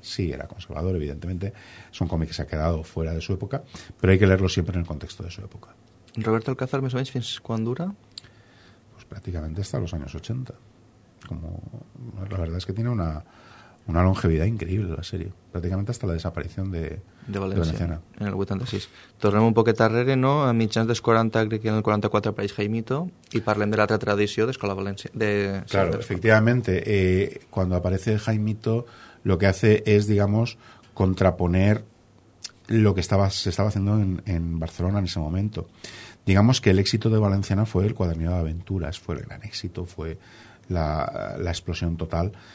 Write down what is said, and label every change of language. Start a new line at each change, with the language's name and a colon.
Spanish: Sí, era conservador, evidentemente, es un cómic que se ha quedado fuera de su época, pero hay que leerlo siempre en el contexto de su época. ¿Roberto Alcázar, me sabéis fins cuándo dura? Pues prácticamente hasta los años 80. Como la verdad es que tiene una longevidad increíble la serie, prácticamente hasta la desaparición de
Catalan: Valenciana. En el 86. Tornem un poquet arrere, no? A mitjans dels 40, crec que en el 44 apareix Jaimito, i parlem de l'altra tradició d'Escola València.
Spanish: Claro, efectivamente, cuando aparece Jaimito, lo que hace es, digamos, contraponer lo que se estaba haciendo en Barcelona en ese momento. Digamos que el éxito de Valenciana fue el cuadernillo de aventuras, fue el gran éxito, fue la explosión total.